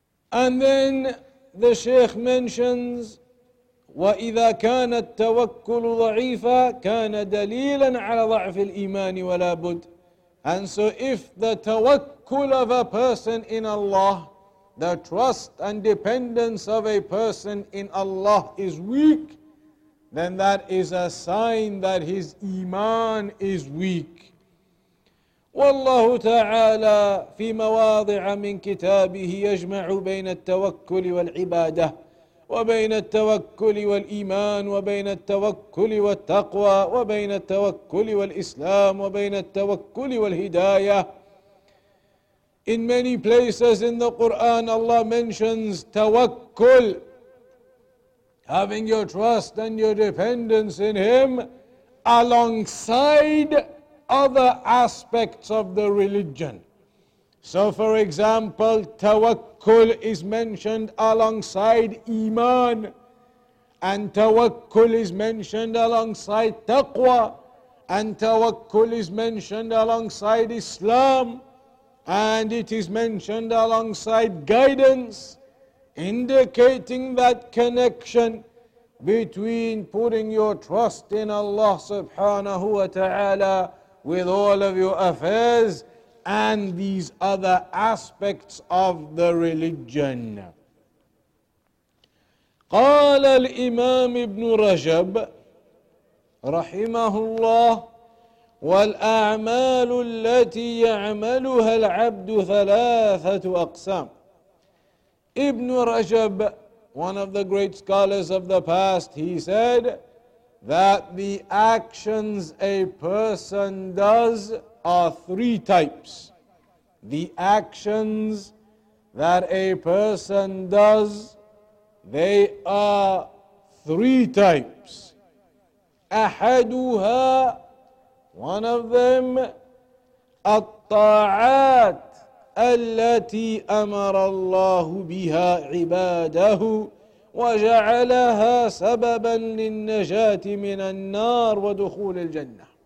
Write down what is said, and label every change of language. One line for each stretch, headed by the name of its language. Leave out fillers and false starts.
English: And then the Shaykh mentions,
Arabic: وَإِذَا كَانَ التَّوَكُّلُ ضَعِيفًا كَانَ دَلِيلًا عَلَى ضَعْفِ الْإِيمَانِ وَلَا بُدْ.
English: And so if the tawakkul of a person in Allah, the trust and dependence of a person in Allah is weak, then that is a sign that his iman is weak.
Arabic: والله تعالى في مواضع من كتابه يجمع بين التوكل والعبادة وبين التوكل والإيمان وبين التوكل والتقوى وبين التوكل والإسلام وبين التوكل والهداية.
English: In many places in the Quran, Allah mentions tawakkul, having your trust and your dependence in Him, alongside other aspects of the religion. So for example, tawakkul is mentioned alongside iman, and tawakkul is mentioned alongside taqwa, and tawakkul is mentioned alongside Islam, and it is mentioned alongside guidance, indicating that connection between putting your trust in Allah subhanahu wa ta'ala with all of your affairs and these other aspects of the religion.
Arabic: قال الإمام ابن رجب رحمه الله والأعمال التي يعملها العبد ثلاثة أقسام.
English: Ibn Rajab, one of the great scholars of the past, he said that the actions a person does are three types. The actions that a person does, they are three types.
Arabic: أحدها,
English: one of them,
Arabic: الطاعات التي أمر الله بها عباده وجعلها سببا للنجاة من النار ودخول الجنة.